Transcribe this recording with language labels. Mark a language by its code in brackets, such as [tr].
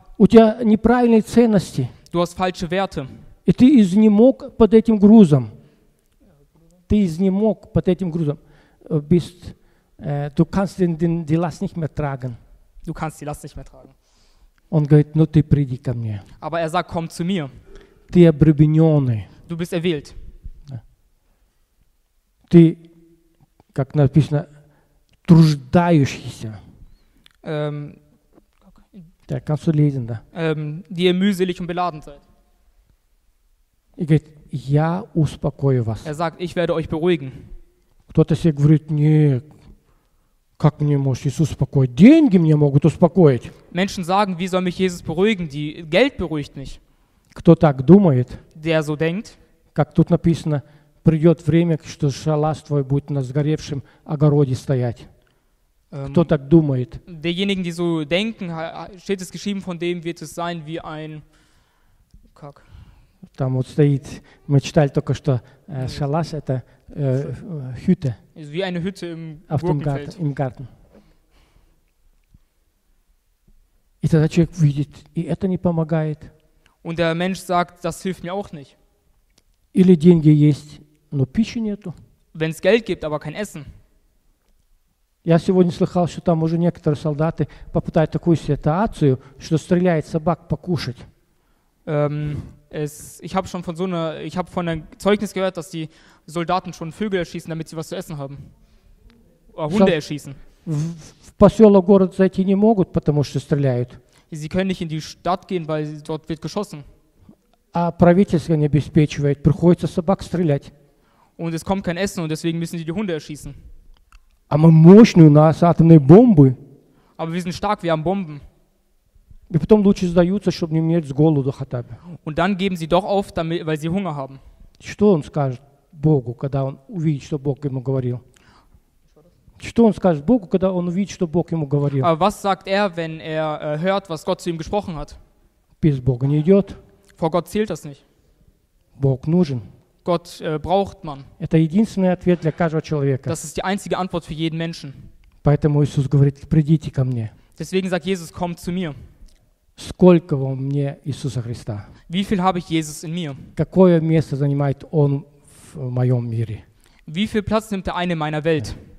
[ru] У тебя неправильные ценности. [de] Du hast falsche Werte. [ru] И ты изнемог под этим грузом. Ты изнемог под этим грузом. [de] Du kannst die Last nicht mehr tragen. Du kannst die Last nicht mehr tragen. [ru] Он говорит, ну ты приди ко мне. [de] Aber er sagt, komm zu mir. [ru] Ты обремененный. [de] Du bist erwählt. Да. [ru] Ты, как написано, труждающийся. [de] Да, kannst du lesen, да. Die ihr mühselig und beladen seid. [ru] И говорит, я успокою вас. [de] Er sagt, ich werde euch beruhigen. [ru] Кто-то себе говорит, нет, как мне может Иисус успокоить? Деньги мне могут успокоить. [de] Menschen sagen, wie soll mich Jesus beruhigen? Die Geld beruhigt mich. [ru] Кто так думает? [de] Der so denkt. [ru] Как тут написано, придет время, что шалас твой будет на сгоревшем огороде стоять. Кто так думает? [de] Derjenigen, die so denken, steht es geschrieben, von dem wird es sein wie ein... [ru] Как? Там вот стоит, мы читали только что, шалаш – это хюте. [de] Wie eine Hütte im Gurkenfeld. Im Garten. [ru] И тогда человек видит, и это не помогает. [de] Und der Mensch sagt, das hilft mir auch nicht. [ru] Или деньги есть, но пищи нету. [de] Wenn es Geld gibt, aber kein Essen. [ru] Я сегодня слыхал, что там уже некоторые солдаты попытают такую ситуацию, что стреляет собак покушать. [de] Ich habe von einem Zeugnis gehört, dass die Soldaten schon Vögel erschießen, damit sie was zu essen haben. Hunde erschießen. [ru] В поселок, город зайти не могут, потому что стреляют. [de] Sie können nicht in die Stadt gehen, weil dort wird geschossen. [ru] А правительство не обеспечивает, приходится собак стрелять. [de] Und es kommt kein Essen und deswegen müssen sie die Hunde erschießen. [ru] А мы мощные, у нас атомные бомбы. [de] Aber wir sind stark, wir haben Bomben. [ru] И потом лучше сдаются, чтобы не умереть с голоду хотя бы. [de] Und dann geben sie doch auf, damit, weil sie Hunger haben. [ru] Что он скажет Богу, когда он увидит, что Бог ему говорил? Что он скажет Богу, когда он увидит, что Бог ему говорил? [de] Aber was sagt er, wenn er hört, was Gott zu ihm gesprochen hat? [ru] Без Бога не идет. [de] Vor Gott zählt das nicht. [ru] Бог нужен. [de] Gott braucht man. [ru] Это единственный ответ для каждого человека. [de] Das ist die einzige Antwort für jeden Menschen. [ru] Поэтому Иисус говорит: «Придите ко мне». [de] Deswegen sagt Jesus: «Komm zu mir». [ru] Сколько во мне Иисуса Христа? [de] Wie viel habe ich Jesus in mir? [ru] Какое место занимает Он в моем мире? [de] Wie viel Platz nimmt Ein in meiner Welt?